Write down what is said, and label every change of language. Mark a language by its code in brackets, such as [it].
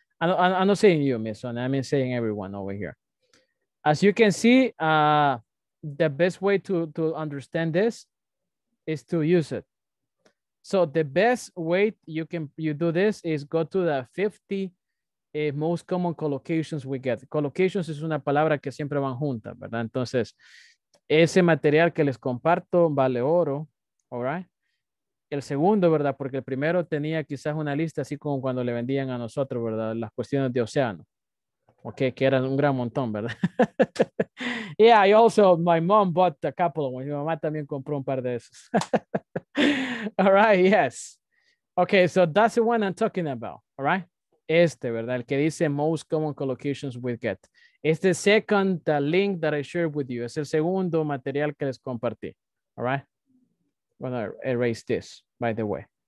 [en] I'm not saying you, Miss Sonia. I mean saying everyone over here. As you can see, the best way to understand this is to use it. So the best way you do this is go to the 50 most common collocations we get. [es] Collocations es una palabra que siempre van juntas, ¿verdad? Entonces, ese material que les comparto vale oro, [en] all right? [es] El segundo, ¿verdad? Porque el primero tenía quizás una lista así como cuando le vendían a nosotros, ¿verdad? Las cuestiones de océano. Ok, que eran un gran montón, ¿verdad? [en] Yeah, I also, my mom bought a couple of them. [es] Mi mamá también compró un par de esos. [en] All right, yes. Ok, so that's the one I'm talking about, all right? [es] Este, ¿verdad? El que dice [en] most common collocations we get. Este second the link that I shared with you. [es] Es el segundo material que les compartí. [en] All right? I'm going to erase this, by the way.